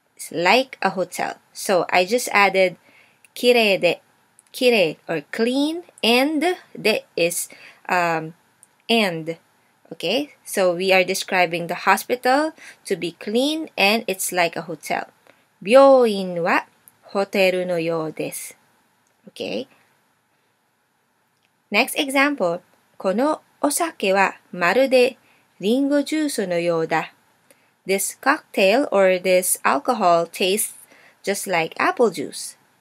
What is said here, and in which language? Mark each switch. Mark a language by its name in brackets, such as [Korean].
[English] Like a hotel. So I just added [Japanese] きれい [English] or clean and de is and. Okay, so we are describing the hospital to be clean and it's like a hotel. [Japanese] 病院はホテルのようです. [English] Okay. Next example. [Japanese] このお酒はまるでリンゴジュースのようだ。 [English] This cocktail or this alcohol tastes just like apple juice.